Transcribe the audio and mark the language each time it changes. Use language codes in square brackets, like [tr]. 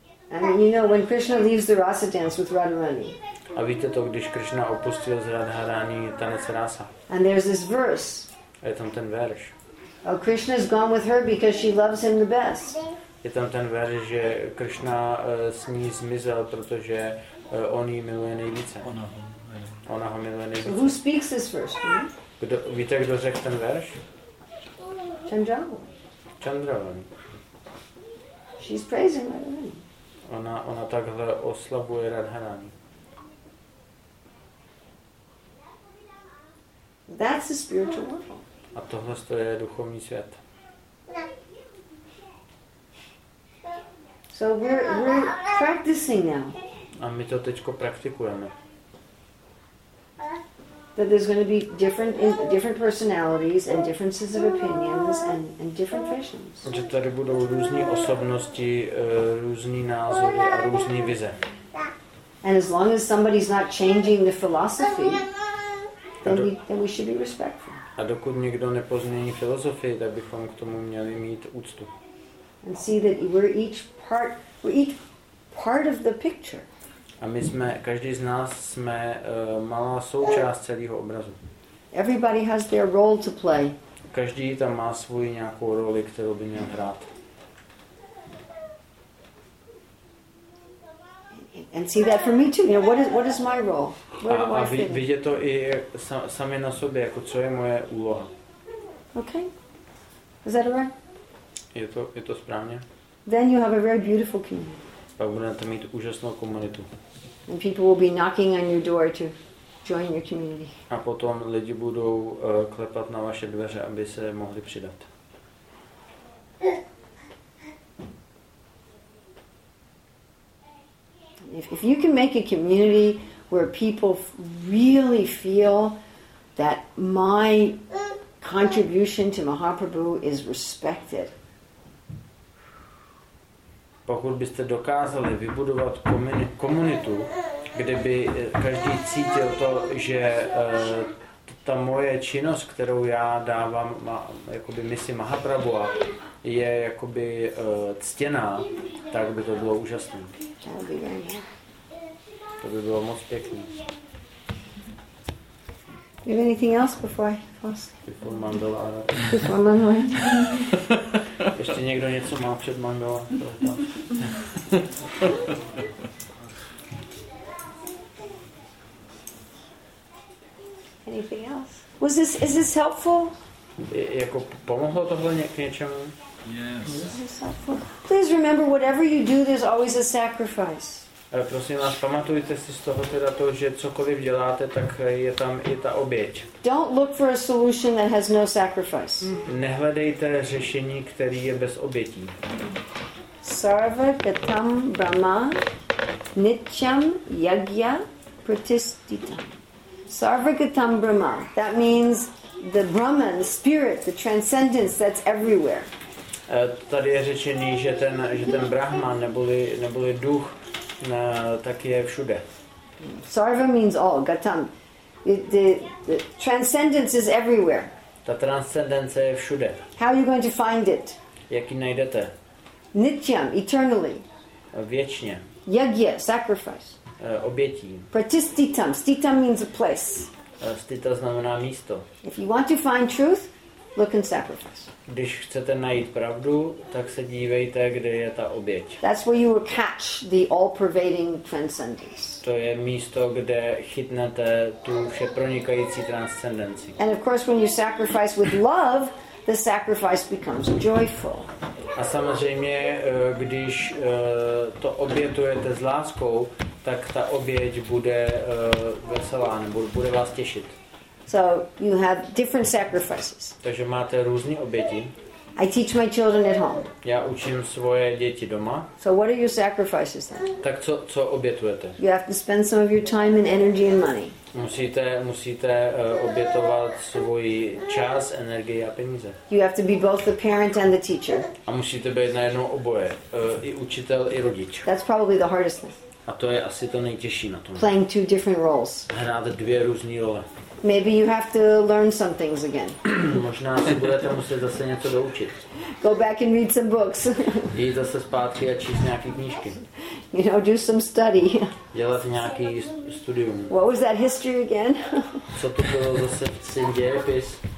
[en] And you know when Krishna leaves the Rasa dance with Radharani. [cs] A víte to, když Krishna opustil z Radharani tanec Rasa. [en] And there's this verse. [cs] A je tam ten verš. [en] Oh, Krishna is gone with her because she loves him the best. [cs] Je tam ten verš, že Krishna s ní zmizel, protože on ji miluje nejvíce. Ona ho miluje nejvíce. [en] So who speaks this first? [cs] Víte, kdo řekl ten verš? [en] Chandravani. She's praising Radharani. [cs] Ona takhle oslavuje Radharani. [en] That's the spiritual world. [cs] A tohle to je duchovní svět. [en] So we're practicing now. [cs] A my to teďko praktikujeme. [en] That there's going to be different personalities and differences of opinions and different visions. [cs] Že tady budou různé osobnosti, různé názory a různé vize. [en] And as long as somebody's not changing the philosophy, then we should be respectful. [cs] A dokud někdo nepozmění filozofii, tak bychom k tomu měli mít úctu. [en] And see that we're each part of the picture. [cs] A my jsme, každý z nás jsme malá součást celého obrazu. [en] Everybody has their role to play. [cs] Každý tam má svůj nějakou roli, kterou by měl hrát. [en] And see that for me too. You know, what is my role? [cs] A vidět to i sami na sobě, jako co je moje úloha. [en] Okay. Is that right? [cs] Je to správně? [en] Then you have a very beautiful community. [cs] Pak budete mít úžasnou komunitu. [en] And people will be knocking on your door to join your community. [cs] A potom lidi budou klepat na vaše dveře, aby se mohli přidat. [en] If you can make a community where people really feel that my contribution to Mahaprabhu is respected. [cs] Pokud byste dokázali vybudovat komunitu, kde by každý cítil to, že ta moje činnost, kterou já dávám, jakoby misi Mahaprabhu, je jakoby ctěná, tak by to bylo úžasné. To by bylo moc pěkné. [en] You have anything else before I pause? Before Mandela. Before Mandela. [cs] Ještě někdo něco má před Mandela? [en] Anything else? Is this helpful? [cs] Jako pomohlo tohle k něčemu? [en] Yes. Please remember, whatever you do, there's always a sacrifice. [cs] Prosím vás, pamatujte si z toho teda to, že cokoliv děláte, tak je tam i ta oběť. [en] Don't look for a solution that has no sacrifice. [cs] Nehledejte řešení, které je bez obětí. [sa] Sarva gatam brahma nityam yagya pratisthitam. Sarva gatam brahma. [en] That means the Brahman, the spirit, the transcendence that's everywhere. [cs] Tady je řečený, že ten Brahman neboli duch, no, tak je všude. [en] Sarva means all, gatam. The transcendence is everywhere. [cs] Ta transcendence je všude. [en] How are you going to find it? [cs] Jak ji najdete? [en] Nityam, eternally. [cs] Věčně. [en] Yagya, sacrifice. [cs] Obětí. [en] Pratisthitam, sthitam means a place. [cs] Sthita znamená místo. [en] If you want to find truth, look in sacrifice. [cs] Když chcete najít pravdu, tak se dívejte, kde je ta oběť. [en] That's where you will catch the all-pervading transcendence. [cs] To je místo, kde chytnete tu všepronikající transcendenci. [en] And of course, when you sacrifice with love, the sacrifice becomes joyful. [cs] A samozřejmě, když to obětujete s láskou, tak ta oběť bude veselá, nebo bude vás těšit. [en] So you have different sacrifices. [cs] Takže máte různé oběti. [en] I teach my children at home. [cs] Já učím svoje děti doma. [en] So what are your sacrifices then? [cs] Tak co obětujete? [en] You have to spend some of your time and energy and money. [cs] Musíte obětovat svůj čas, energii a peníze. [en] You have to be both the parent and the teacher. [cs] A musíte být najednou oboje, i učitel i rodič. [en] That's probably the hardest thing. [cs] A to je asi to nejtěžší na tom. [en] Playing two different roles. [cs] Hrát dvě různé role. [en] Maybe you have to learn some things again. [cs] Možná si budete muset zase něco doučit. [en] Go back and read some books. [cs] Jít zase zpátky a číst nějaké knížky. [en] You know, do some study. [cs] Dělat nějaký studium. [en] What was that history again? [cs] Co to bylo zase v dějepis?